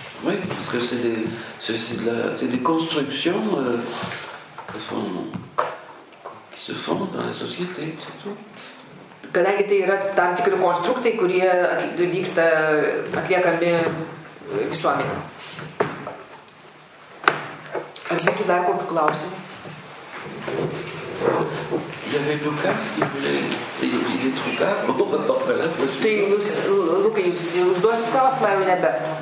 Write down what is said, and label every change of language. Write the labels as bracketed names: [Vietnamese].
[French] Oui, parce que c'est des constructions qui se font dans la société, c'est tout. [Lithuanian] Kadangi tai yra tam tikri konstruktai, kurie vyksta atliekami visuomenė. Ar būtų dar kokių klausimų? [French] Il y avait Lucas qui voulait. Il est trop tard, on va porter la fois. [Lithuanian] Tai, Lucas, jūs duosite klausimą ar nebe?